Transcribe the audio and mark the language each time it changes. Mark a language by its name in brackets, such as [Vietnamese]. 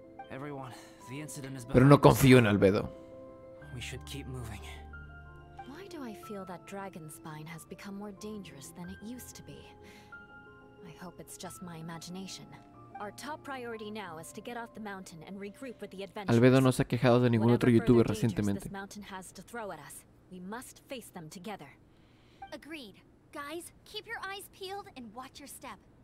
[English] Everyone, the incident is... [Spanish] Pero no confío en Albedo. [English] We should keep moving. Why do I feel that Dragonspine has become more dangerous than it used to be? I hope it's just my imagination. Our top priority now is to get off the mountain and regroup with the adventurers. [Spanish] Albedo no se ha quejado de ningún otro youtuber recientemente. [English] This mountain has to throw at us. We must face them together. Agreed. Guys, keep your eyes peeled and watch your step.